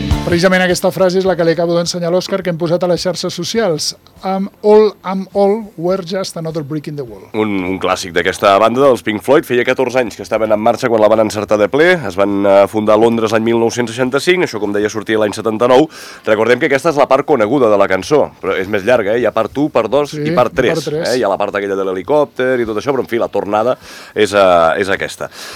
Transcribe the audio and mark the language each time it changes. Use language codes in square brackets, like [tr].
[ca] Precisament aquesta frase és la que li acabo d'ensenyar a l'Òscar, que hem posat a les xarxes socials. [en] I'm all, we're just another brick in the wall. [ca] Un clàssic d'aquesta banda, dels Pink Floyd. Feia 14 anys que estaven en marxa quan la van encertar de ple. Es van fundar a Londres l'any 1965, això com deia sortia l'any 79. Recordem que aquesta és la part coneguda de la cançó, però és més llarga, hi ha part 1, part 2 sí, i part 3. Part 3. Hi ha la part aquella de l'helicòpter i tot això, però en fi, la tornada és aquesta.